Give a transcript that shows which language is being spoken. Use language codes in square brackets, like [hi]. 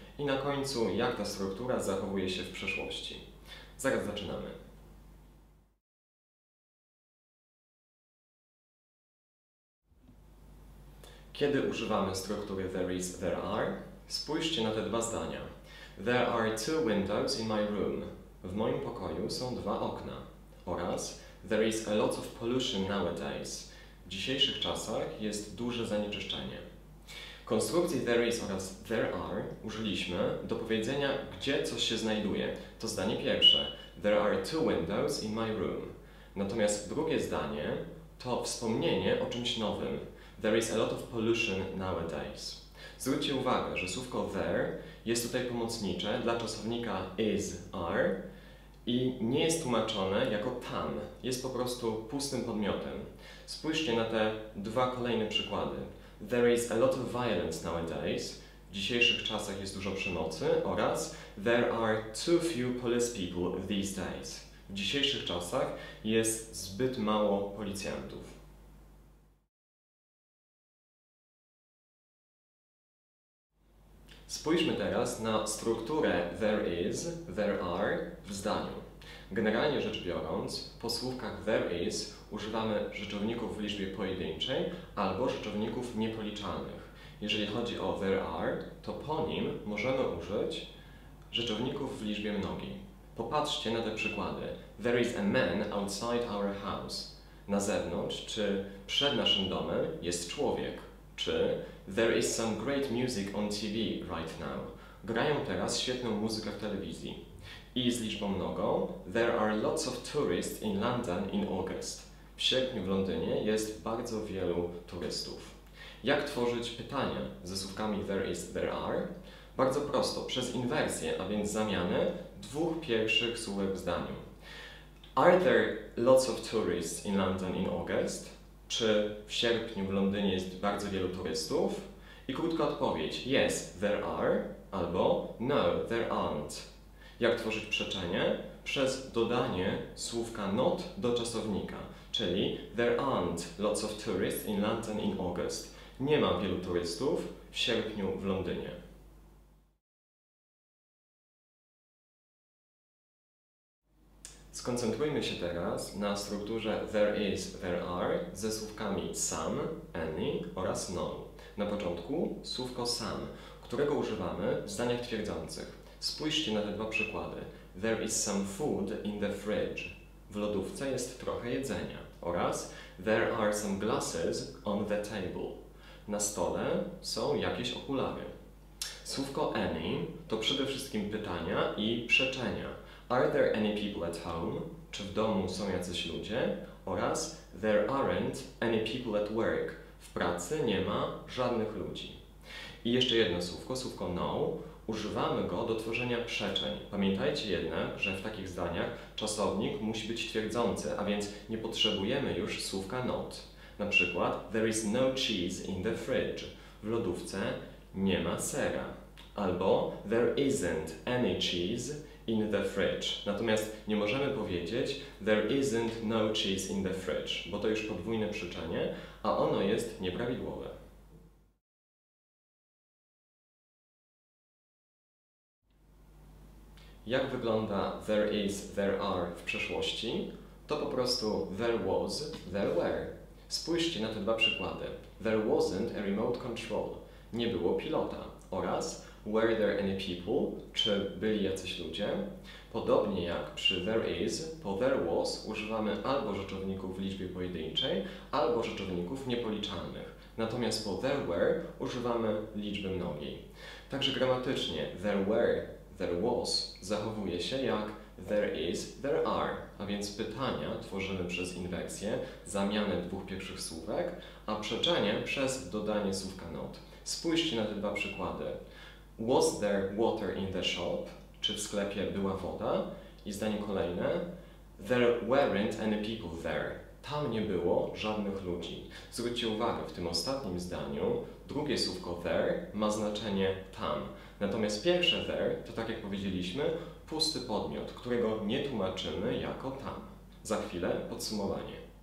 [pl] I na końcu, jak ta struktura zachowuje się w przeszłości. Zaraz zaczynamy. Kiedy używamy struktury there is, there are? Spójrzcie na te dwa zdania. [en] There are two windows in my room. [pl] W moim pokoju są dwa okna. [en] Oraz there is a lot of pollution nowadays. [pl] W dzisiejszych czasach jest duże zanieczyszczenie. Konstrukcji there is oraz there are użyliśmy do powiedzenia, gdzie coś się znajduje. To zdanie pierwsze. [en] There are two windows in my room. [pl] Natomiast drugie zdanie to wspomnienie o czymś nowym. [en] There is a lot of pollution nowadays. [pl] Zwróćcie uwagę, że słówko there jest tutaj pomocnicze dla czasownika is, are i nie jest tłumaczone jako tam. Jest po prostu pustym podmiotem. Spójrzcie na te dwa kolejne przykłady. [en] There is a lot of violence nowadays. [pl] W dzisiejszych czasach jest dużo przemocy. [en] Oraz there are too few police people these days. [pl] W dzisiejszych czasach jest zbyt mało policjantów. Spójrzmy teraz na strukturę there is, there are w zdaniu. Generalnie rzecz biorąc, po słówkach there is używamy rzeczowników w liczbie pojedynczej albo rzeczowników niepoliczalnych. Jeżeli chodzi o there are, to po nim możemy użyć rzeczowników w liczbie mnogiej. Popatrzcie na te przykłady. [en] There is a man outside our house. [pl] Na zewnątrz czy przed naszym domem jest człowiek. [en] Czy there is some great music on TV right now. [pl] Grają teraz świetną muzykę w telewizji. I z liczbą mnogą, [en] there are lots of tourists in London in August. [pl] W sierpniu w Londynie jest bardzo wielu turystów. Jak tworzyć pytania ze słówkami there is, there are? Bardzo prosto, przez inwersję, a więc zamianę dwóch pierwszych słówek w zdaniu. [en] Are there lots of tourists in London in August? [pl] Czy w sierpniu w Londynie jest bardzo wielu turystów? I krótka odpowiedź. [en] Yes, there are. Albo no, there aren't. [pl] Jak tworzyć przeczenie? Przez dodanie słówka not do czasownika. [en] Czyli there aren't lots of tourists in London in August. [pl] Nie ma wielu turystów w sierpniu w Londynie. Skoncentrujmy się teraz na strukturze there is, there are ze słówkami some, any oraz no. Na początku słówko some, którego używamy w zdaniach twierdzących. Spójrzcie na te dwa przykłady. [en] There is some food in the fridge. [pl] W lodówce jest trochę jedzenia. [en] Oraz there are some glasses on the table. [pl] Na stole są jakieś okulary. Słówko any to przede wszystkim pytania i przeczenia. [en] Are there any people at home? [pl] Czy w domu są jacyś ludzie? [en] Oraz there aren't any people at work. [pl] W pracy nie ma żadnych ludzi. I jeszcze jedno słówko, słówko no. Używamy go do tworzenia przeczeń. Pamiętajcie jednak, że w takich zdaniach czasownik musi być twierdzący, a więc nie potrzebujemy już słówka not. Na przykład [en] there is no cheese in the fridge. [pl] W lodówce nie ma sera. [en] Albo there isn't any cheese in the fridge. [pl] Natomiast nie możemy powiedzieć [en] there isn't no cheese in the fridge, [pl] bo to już podwójne przeczenie, a ono jest nieprawidłowe. Jak wygląda there is, there are w przeszłości? To po prostu there was, there were. Spójrzcie na te dwa przykłady. [en] There wasn't a remote control. [pl] Nie było pilota. [en] Oraz were there any people? [pl] Czy byli jacyś ludzie? Podobnie jak przy there is, po there was używamy albo rzeczowników w liczbie pojedynczej, albo rzeczowników niepoliczalnych. Natomiast po there were używamy liczby mnogiej. Także gramatycznie there were, there was zachowuje się jak there is, there are. A więc pytania tworzymy przez inwersję, zamianę dwóch pierwszych słówek, a przeczenie przez dodanie słówka not. Spójrzcie na te dwa przykłady. [en] Was there water in the shop? [pl] Czy w sklepie była woda? I zdanie kolejne. [en] There weren't any people there. [pl] Tam nie było żadnych ludzi. Zwróćcie uwagę, w tym ostatnim zdaniu drugie słówko there ma znaczenie tam. Natomiast pierwsze there to, tak jak powiedzieliśmy, pusty podmiot, którego nie tłumaczymy jako tam. Za chwilę podsumowanie.